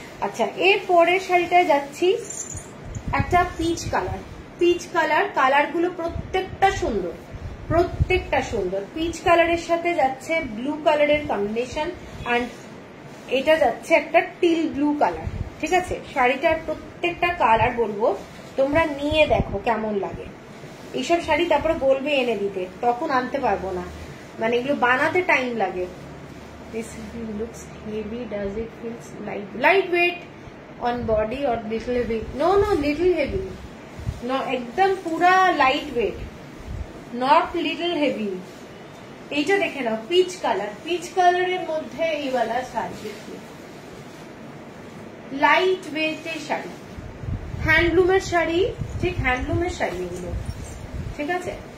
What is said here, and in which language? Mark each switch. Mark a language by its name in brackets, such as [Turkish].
[Bangla] আচ্ছা, এর পরের শাড়িটায় যাচ্ছি, একটা peach colour, peach colour, colour গুলো প্রত্যেকটা সুন্দর, প্রত্যেকটা সুন্দর, পিচ কালারের সাথে যাচ্ছে ব্লু কালারের কম্বিনেশন, অ্যান্ড এটা যাচ্ছে একটা টিল ব্লু কালার, ঠিক আছে, শাড়িটার প্রত্যেকটা কালার বলবো, তোমরা নিয়ে দেখো কেমন লাগে এইসব শাড়ি, তারপরে বলবে এনে দিতে, তখন আনতে পারবো না, মানে এগুলো বানাতে টাইম লাগে। [English] This looks heavy, does it feel lightweight on body or little heavy? No, little heavy. [Bangla] একদম পুরো লাইটওয়েট, [English] not little heavy. [Bangla] এইটা দেখে নাও, পিচ কালার, পিচ কালারের মধ্যে এই বালা শাড়ি, লাইট ওয়েট এর শাড়ি, হ্যান্ডলুমের শাড়ি, ঠিক হ্যান্ডলুমের শাড়ি এগুলো, ঠিক আছে।